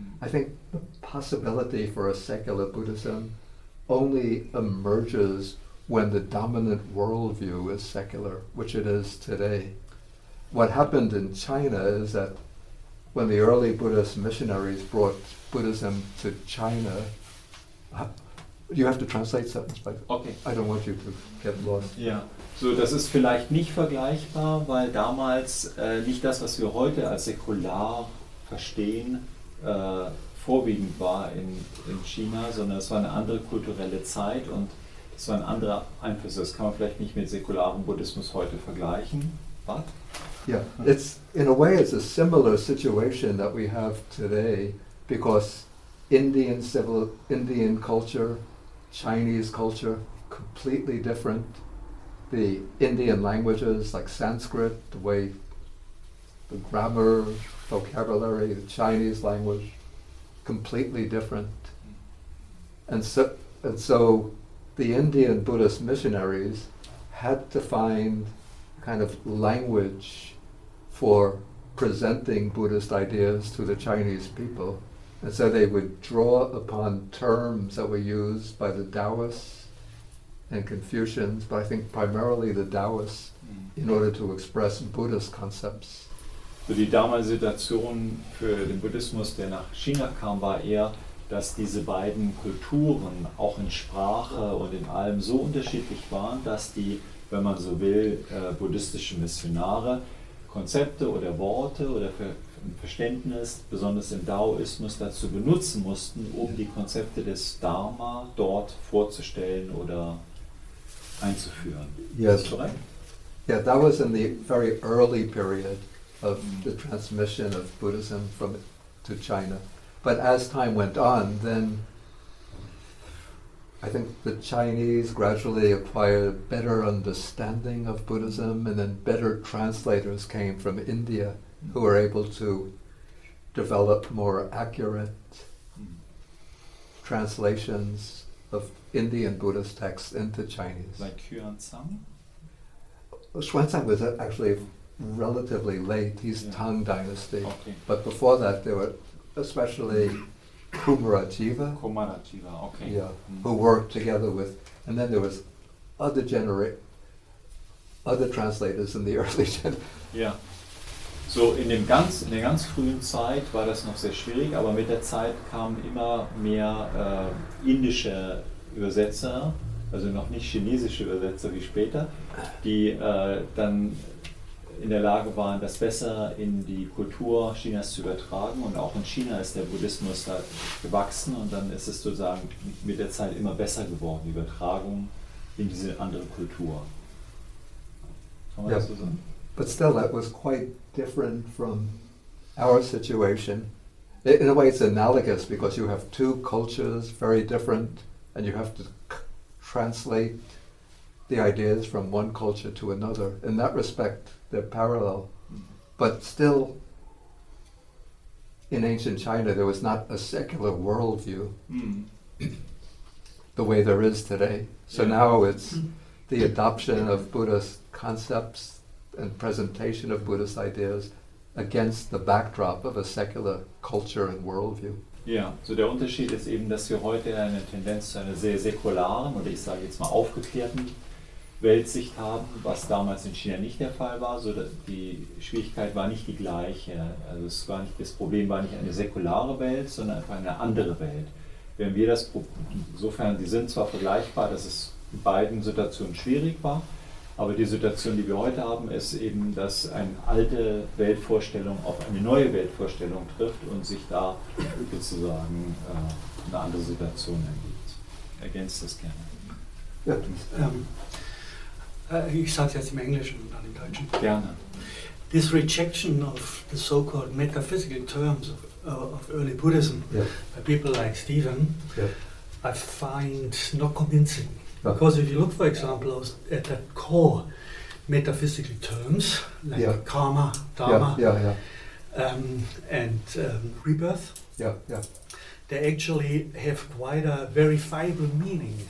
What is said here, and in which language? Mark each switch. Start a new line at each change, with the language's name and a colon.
English: I think the possibility for a secular Buddhism only emerges when the dominant worldview is secular, which it is today. What happened in China is that when the early Buddhist missionaries brought Buddhism to China, you have to translate something, but okay. I don't want you to get lost. Yeah.
German: So das ist vielleicht nicht vergleichbar, weil damals nicht das, was wir heute als säkular verstehen, vorwiegend war in China, sondern es war eine andere kulturelle Zeit und es war ein anderer Einfluss. Das kann man vielleicht nicht mit säkularem Buddhismus heute vergleichen.
English: But yeah, it's in a way it's a similar situation that we have today, because Indian culture, Chinese culture, completely different. The Indian languages like Sanskrit, the way the grammar, vocabulary, the Chinese language, completely different. And so the Indian Buddhist missionaries had to find kind of language for presenting Buddhist ideas to the Chinese people. And so they would draw upon terms that were used by the Taoists and Confucians, but I think primarily the Taoists, in order to express Buddhist concepts.
German: So die damalige Situation für den Buddhismus, der nach China kam, war eher, dass diese beiden Kulturen auch in Sprache und in allem so unterschiedlich waren, dass die, wenn man so will, buddhistischen Missionare Konzepte oder Worte oder Verständnis, besonders im Daoismus, dazu benutzen mussten, um die Konzepte des Dharma dort vorzustellen oder einzuführen.
English: Yes.
German: Ist das korrekt?
English: Yeah, that was in the very early period of the transmission of Buddhism from to China. But as time went on, then I think the Chinese gradually acquired a better understanding of Buddhism, and then better translators came from India who were able to develop more accurate translations of Indian Buddhist texts into Chinese. Like Xuanzang? Xuanzang was actually relatively late. He's Tang Dynasty. Okay. But before that, there were especially Kumarajiva, okay. Yeah, who worked together with, and then there was other translators in the early generation. Yeah.
German: So in der ganz frühen Zeit war das noch sehr schwierig, aber mit der Zeit kamen immer mehr indische Übersetzer, also noch nicht chinesische Übersetzer wie später, die dann in der Lage waren, das besser in die Kultur Chinas zu übertragen. Und auch in China ist der Buddhismus da gewachsen und dann ist es sozusagen mit der Zeit immer besser geworden, die Übertragung in diese andere Kultur. Kann man das so sagen?
English: But still, that was quite different from our situation. In a way, it's analogous because you have two cultures, very different, and you have to translate the ideas from one culture to another. In that respect, they're parallel. But still, in ancient China, there was not a secular worldview the way there is today. So now it's the adoption of Buddhist concepts and presentation of Buddhist ideas against the backdrop of a secular culture and worldview.
German: Ja, so der Unterschied ist eben, dass wir heute eine Tendenz zu einer sehr säkularen oder ich sage jetzt mal aufgeklärten Weltsicht haben, was damals in China nicht der Fall war. So die Schwierigkeit war nicht die gleiche. Also es war nicht, das Problem war nicht eine säkulare Welt, sondern einfach eine andere Welt. Wenn wir das, insofern, die sind zwar vergleichbar, dass es in beiden Situationen schwierig war, aber die Situation, die wir heute haben, ist eben, dass eine alte Weltvorstellung auf eine neue Weltvorstellung trifft und sich da sozusagen eine andere Situation ergibt. Ergänzt das gerne. Ja, ich sage es jetzt im Englischen und dann im Deutschen. Gerne.
English: This rejection of the so-called metaphysical terms of early Buddhism by people like Stephen, I find not convincing. Because if you look, for example, at the core metaphysical terms, like karma, dharma, and rebirth, they actually have quite a verifiable meaning.